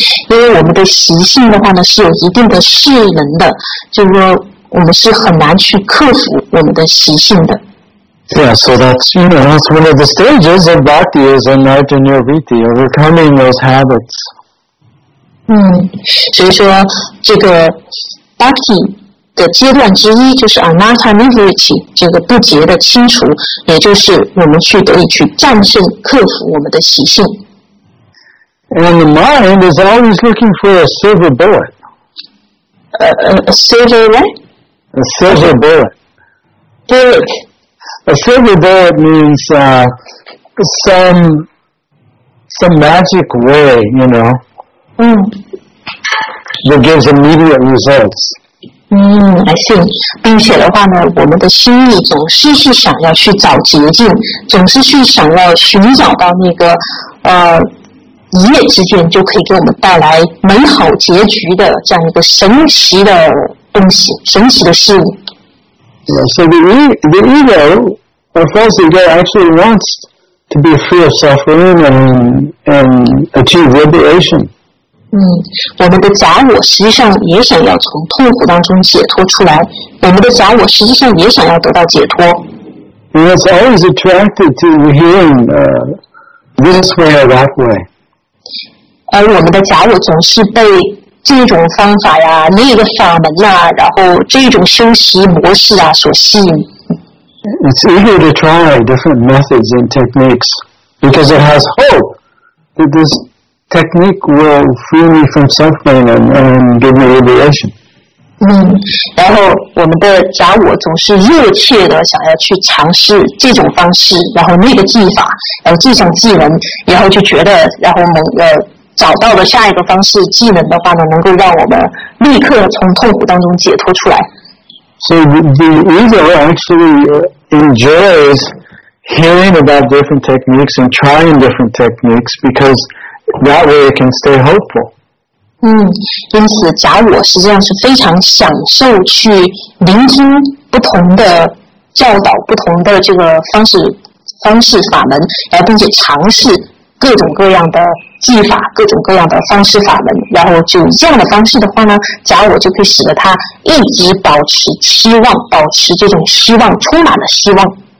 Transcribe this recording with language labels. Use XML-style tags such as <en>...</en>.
<zh>因为我们的习性的话呢是有一定的适能的，就是说我们是很难去克服我们的习性的。</zh> <en>Yeah, so that's, you know, that's one of the stages of bhakti is anarjanyaviti, overcoming those habits.</en> <zh>所以说这个 bhakti,的阶段之一就是 anatta nirviti 这个不结的清除，也就是我们去得以去战胜克服我们的习性。</zh> <en>And the mind is always looking for a silver bullet. A silver what? A silver bullet. Bullet. A silver bullet means some magic way, you know, that gives immediate results. I see.</en> <zh>并且的话呢，我们的心意总是去想要去找捷径，总是去想要寻找到那个一夜之间就可以给我们带来美好结局的这样一个神奇的东西，神奇的事物。</zh> <en>So the ego, a false ego, actually wants to be free of suffering and achieve liberation.</en> <zh>我们的假我实际上也想要从痛苦当中解脱出来，我们的假我实际上也想要得到解脱。</zh> <en>And it's always attracted to hearing this way or that way.</en> <zh>而我们的假我总是被这种方法呀、那个法门啊、然后这种修习模式啊所吸引。</zh> <en>It's eager to try different methods and techniques because it has hope that this. Technique will free me from suffering and give me liberation.</en> <zh>然后我们的假我总是热切的想要去尝试这种方式，然后那个技法，然后这种技能，然后就觉得，然后能找到了下一个方式技能的话呢，能够让我们立刻从痛苦当中解脱出来。</zh> <en>So the ego actually enjoys hearing about different techniques and trying different techniques because. That way it can stay hopeful.</en> <zh>因此假我实际上是非常享受去聆听不同的教导，不同的这个方式法门，然后并且尝试各种各样的技法，各种各样的方式法门，然后就这样的方式的话呢，假我就可以使得他一直保持期望，保持这种希望，充满了希望。</zh>